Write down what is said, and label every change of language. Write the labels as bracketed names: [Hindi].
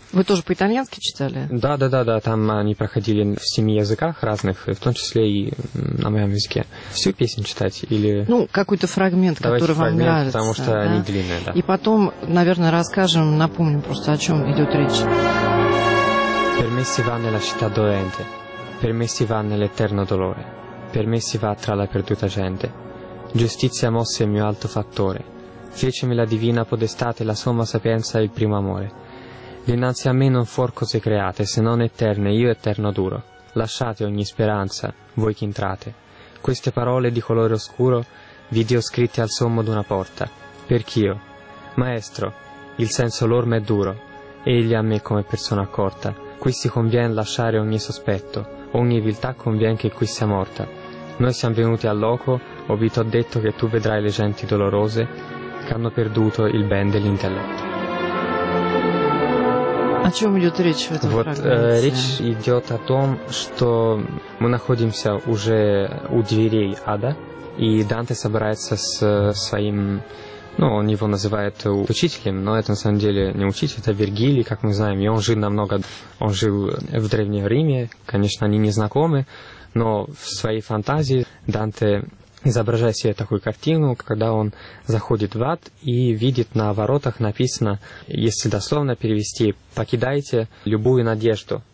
[Russian] Вы тоже по-итальянски читали? Да. Там они проходили в 7 языках разных, в том числе и на моем языке. Всю песню читать или... Ну, какой-то фрагмент, давайте который фрагмент, вам нравится. Потому что да? Они длинные, да. И потом, наверное, расскажем, напомним просто, о чем идет речь. [Italian] Per me si va nella città dolente, per me si va nell'eterno dolore, per me si va tra la perduta gente. Giustizia mosse il mio alto fattore, fecemi la divina podestà e la somma sapienza e il primo amore. Dinanzi a me non fuor cose create, se non eterne, io eterno duro. Lasciate ogni speranza, voi che entrate. Queste parole di colore oscuro, video scritte al sommo d'una porta. Perch'io, maestro, il senso l'orma è duro, egli a me come persona accorta. Qui si conviene lasciare ogni sospetto, ogni viltà conviene che qui sia morta. Noi siamo venuti al loco, o vi t'ho detto che tu vedrai le genti dolorose che hanno perduto il ben dell'intelletto. [Russian] О чем идет речь в этом вот, фрагменте? Речь идет о том, что мы находимся уже у дверей ада, и Данте собирается с своим... Ну, он его называет учителем, но это на самом деле не учитель, это Вергилий, как мы знаем, и он жил в Древнем Риме, конечно, они не знакомы, но в своей фантазии Данте изображает себе такую картину, когда он заходит в ад и видит на воротах написано, если дословно перевести, «покидайте любую надежду».